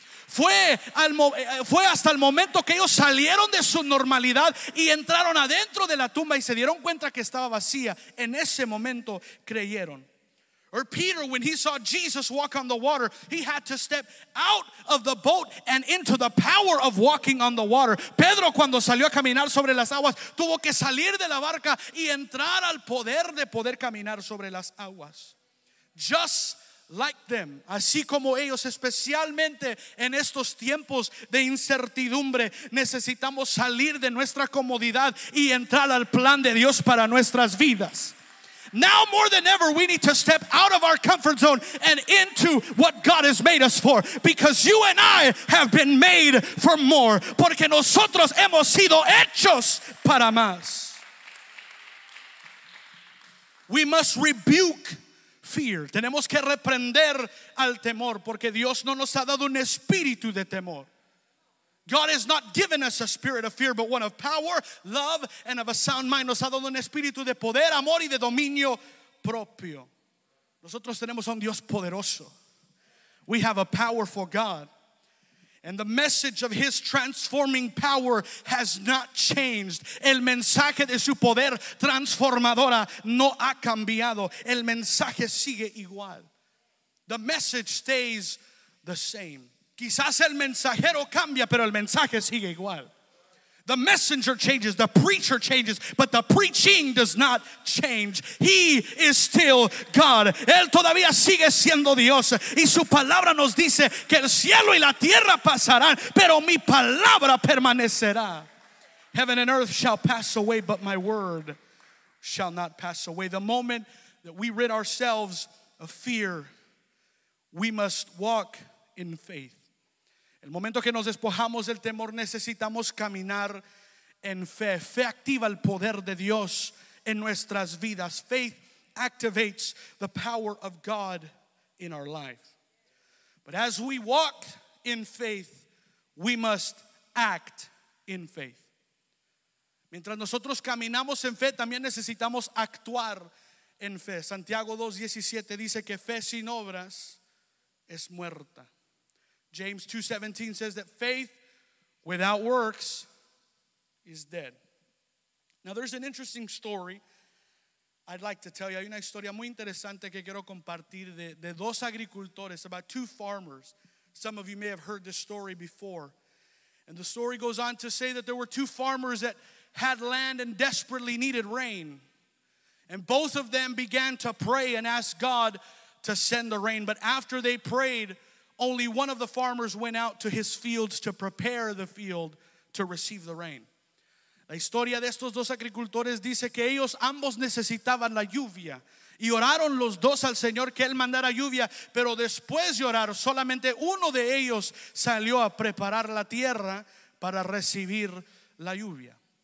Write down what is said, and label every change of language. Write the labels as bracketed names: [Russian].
[Spanish] Fue hasta el momento que ellos salieron de su normalidad y entraron adentro de la tumba y se dieron cuenta que estaba vacía. En ese momento creyeron. [English] Or Peter, when he saw Jesus walk on the water, he had to step out of the boat and into the power of walking on the water. [Spanish] Pedro, cuando salió a caminar sobre las aguas, tuvo que salir de la barca y entrar al poder de poder caminar sobre las aguas. [English] Just like them, [Spanish] así como ellos, especialmente en estos tiempos de incertidumbre, necesitamos salir de nuestra comodidad y entrar al plan de Dios para nuestras vidas. [English] Now more than ever, we need to step out of our comfort zone and into what God has made us for. Because you and I have been made for more. [Spanish] Porque nosotros hemos sido hechos para más. [English] We must rebuke fear. [Spanish] Tenemos que reprender al temor. Porque Dios no nos ha dado un espíritu de temor. [English] God has not given us a spirit of fear, but one of power, love, and of a sound mind. [Spanish] Nos ha dado un espíritu de poder, amor, y de dominio propio. Nosotros tenemos a un Dios poderoso. [English] We have a powerful God. And the message of his transforming power has not changed. [Spanish] El mensaje de su poder transformadora no ha cambiado. El mensaje sigue igual. [English] The message stays the same. [Spanish] Quizás el mensajero cambia, pero el mensaje sigue igual. [English] The messenger changes, the preacher changes, but the preaching does not change. He is still God. [Spanish] Él todavía sigue siendo Dios. Y su palabra nos dice que el cielo y la tierra pasarán, pero mi palabra permanecerá. [English] Heaven and earth shall pass away, but my word shall not pass away. The moment that we rid ourselves of fear, we must walk in faith. [Spanish] El momento que nos despojamos del temor, necesitamos caminar en fe. Fe activa el poder de Dios en nuestras vidas. [English] Faith activates the power of God in our life. But as we walk in faith, we must act in faith. [Spanish] Mientras nosotros caminamos en fe, también necesitamos actuar en fe. Santiago 2:17 dice que fe sin obras es muerta. [English] James 2:17 says that faith without works is dead. Now there's an interesting story I'd like to tell you. [Spanish] Hay una historia muy interesante que quiero compartir de dos agricultores, [English] about two farmers. Some of you may have heard this story before. And the story goes on to say that there were two farmers that had land and desperately needed rain. And both of them began to pray and ask God to send the rain. But after they prayed, only one of the farmers went out to his fields to prepare the field to receive the rain. [Spanish] La historia de estos dos agricultores dice que ellos ambos necesitaban la lluvia. Y oraron los dos al Señor que Él mandara lluvia. Pero después de orar, solamente uno de ellos salió a preparar la tierra para recibir la lluvia.